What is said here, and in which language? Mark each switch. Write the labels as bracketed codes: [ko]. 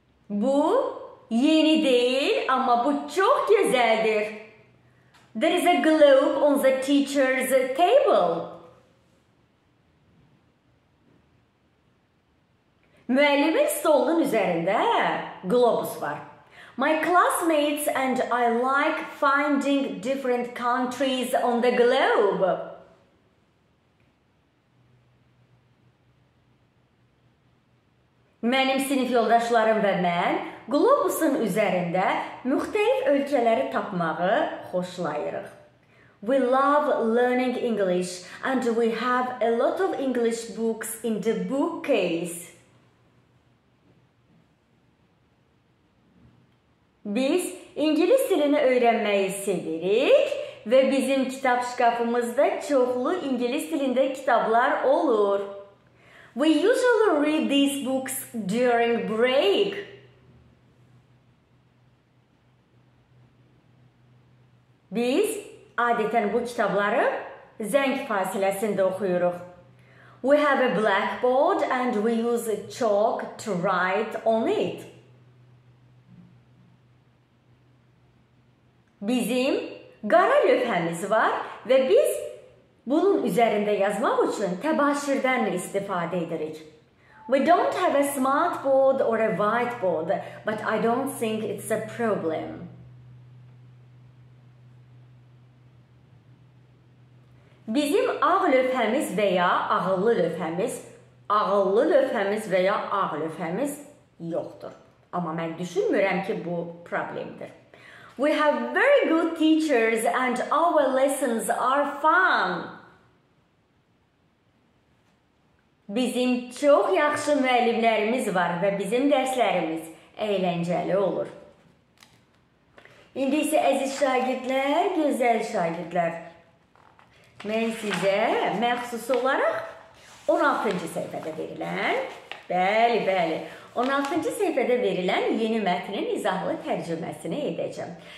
[tr] Bu yeni değil, ama bu çok güzeldir. [en] There is a globe on the teacher's table. [az] Müəllimin stolunun üzərində globus var. [en] My classmates and I like finding different countries on the globe. [az] Mənim sinif yoldaşlarım və mən globusun üzərində müxtəlif ölkələri tapmağı xoşlayırıq. [en] We love learning English and we have a lot of English books in the bookcase. [az] Biz ingilis dilini öyrənməyi sevirik və bizim kitab şkafımızda çoxlu ingilis dilində kitablar olur. [en] We usually read these books during break. [az] Biz adətən bu kitabları zəng fasiləsində oxuyuruq. [en] We have a blackboard and we use a chalk to write on it. [az] Bizim qara lövhəmiz var və biz bunun üzərində yazmaq üçün təbaşirdən istifadə edirik. [en] We don't have a smart board or a whiteboard, but I don't think it's a problem. [az] Bizim ağ lövhəmiz və ya ağ lövhəmiz yoxdur. Amma mən düşünmürəm ki, bu problemdir. [en] We have very good teachers and our lessons are fun. [az] Bizim çox yaxşı müəllimlərimiz var və bizim dərslərimiz əyləncəli olur. İndi isə əziz şagirdlər, gözəl şagirdlər. Mən sizə məxsus olaraq 16-cı səhifədə verilən, bəli, 16-cı səhifədə verilən yeni mətnin izahlı tərcüməsini edəcəm.